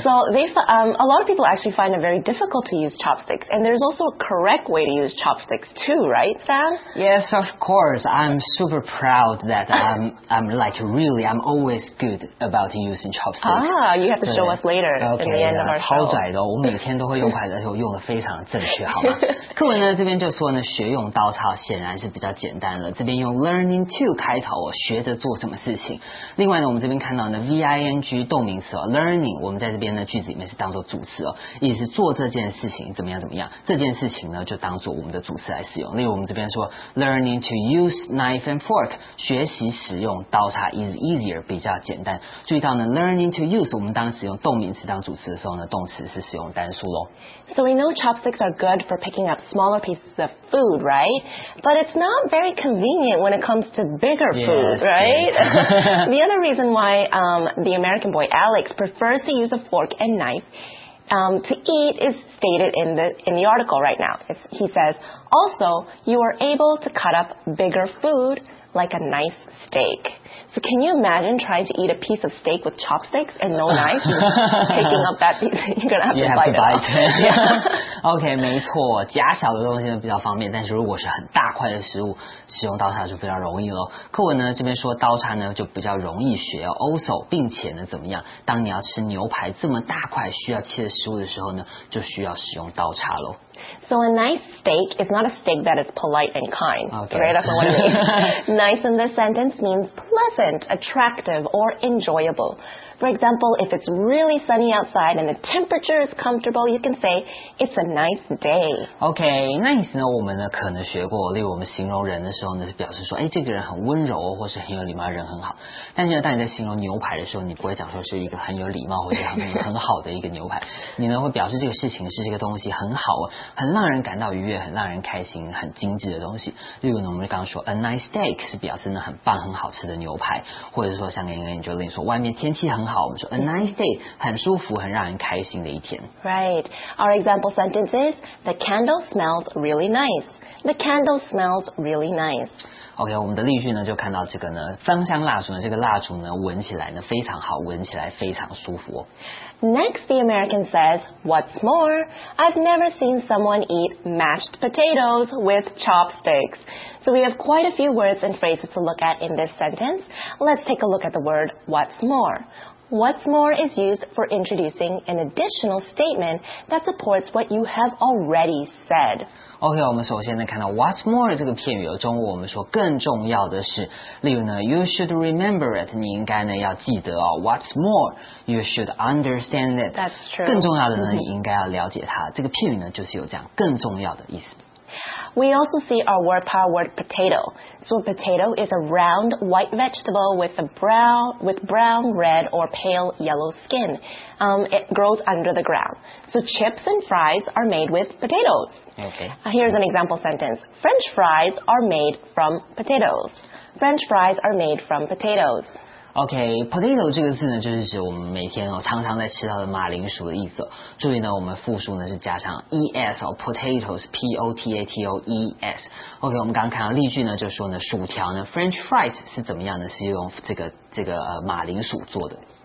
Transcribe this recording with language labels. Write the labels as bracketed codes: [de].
[en] So a lot of people actually find it very difficult to use chopsticks. And there's also a correct way to use chopsticks too, right, Sam? Yes, of course. I'm super proud that I'm always good about using chopsticks. Ah, you have to show us later okay, in the end of our show. [zh] 超窄的，我每天都会用筷子，而且我用的非常正确，好吗？课文呢这边就说呢，学用刀叉显然是比较简单的。这边用 learning to 开头，学着做什么事情。另外呢，我们这边看到呢 ，ving 动名词learning， 我们在这边呢句子里面是当做主词意思是做这件事情怎么样怎么样，这件事情呢就当做我们的主词来使用。例如我们这边说 [en] learning to use knife and fork， [zh] 学习使用刀叉 [en] is easier， [zh] 比较简单。注意到呢 ，learning to use， 我们当使用动名词当主词的时候呢，动词是使用单数喽。 [en] So we know chopsticks are good for picking up smaller pieces of food, right? But it's not very convenient when it comes to bigger food, yes, right? Yes. The other reason why the American boy Alex prefers to use a fork and knife to eat is stated in the article right now. He says, also, you are able to cut up bigger food like a nice steak. So can you imagine trying to eat a piece of steak with chopsticks and no knife? Picking up that piece, you're going to have to bite it. [zh] OK， 没错，夹小的东西比较方便，但是如果是很大块的食物，使用刀叉就比较容易咯。课文呢这边说刀叉呢就比较容易学 also， 并且呢怎么样，当你要吃牛排这么大块需要切的食物的时候呢，就需要使用刀叉咯。 [en] So a nice steak is not a steak that is polite and kind. Okay. Right, that's what it means. Nice in this sentence means pleasant, attractive, or enjoyable. For example, if it's really sunny outside and the temperature is comfortable, you can say, it's a nice day. [zh] Okay, nice 呢我们呢可能学过，例如我们形容人的时候呢表示说，哎，这个人很温柔或是很有礼貌，人很好。但是呢当你在形容牛排的时候，你不会讲说是一个很有礼貌或者很好的一个牛排。你呢会表示这个事情是这个东西很好，很让人感到愉悦，很让人开心，很精致的东西。例如呢我们刚刚说 [en] a nice steak [zh] 是表示呢很棒很好吃的牛排，或者说像跟 Angeline 说外面天气很好，我们说 [en] a nice day [zh] 很舒服很让人开心的一天。 [en] Right, our example sentence is the candle smells really nice. The candle smells really nice. [zh] OK, 我们的例句呢就看到这个呢芳香蜡烛呢，这个蜡烛呢闻起来呢非常好，闻起来非常舒服。 [en] Next, the American says, what's more, I've never seen someone eat mashed potatoes with chopsticks. So we have quite a few words and phrases to look at in this sentence. Let's take a look at the word what's more. What's more is used for introducing an additional statement that supports what you have already said. [zh] OK， 我们首先呢看到 what's more 这个片语，中文我们说更重要的是，例如呢 [en] you should remember it， [zh] 你应该呢要记得哦 [en] what's more you should understand it， that's true， [zh] 更重要的呢你应该要了解它，这个片语呢就是有这样更重要的意思。 [en] We also see our word power word potato. So a potato is a round white vegetable with brown, red, or pale yellow skin. It grows under the ground. So chips and fries are made with potatoes. Okay. Here's an example sentence. French fries are made from potatoes. French fries are made from potatoes. [zh] OK, potato 这个字呢就是指我们每天常常在吃到的马铃薯的意思。注意呢我们复数呢是加上 ES, potatoes, P-O-T-A-T-O-E-S。 OK, 我们刚刚看到例句呢就说呢薯条呢 French fries 是怎么样呢，是用这个马铃薯做的。